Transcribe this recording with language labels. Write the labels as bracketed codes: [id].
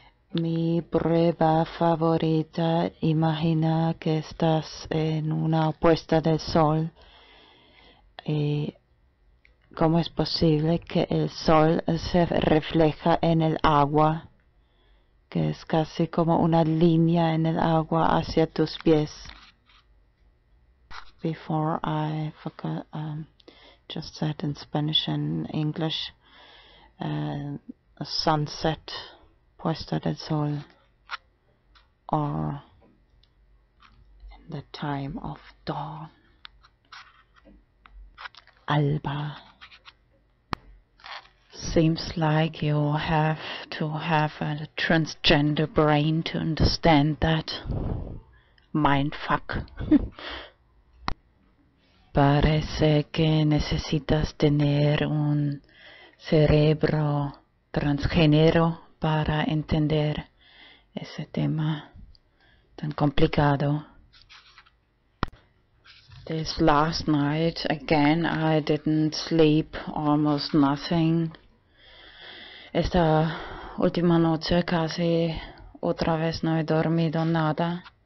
[es] Mi prueba favorita, imagina que estás en una puesta del sol. ¿Y cómo es posible que el sol se refleja en el agua, que es casi como una línea en el agua hacia tus pies? [en] Before I forgot, just said in Spanish and English, sunset, puesta del sol, or in the time of dawn, alba. Seems like you have to have a transgender brain to understand that mindfuck. [es] Parece que necesitas tener un cerebro transgénero para entender ese tema tan complicado. [en] This last night, again, I didn't sleep, almost nothing. [es] Esta última noche casi otra vez no he dormido nada.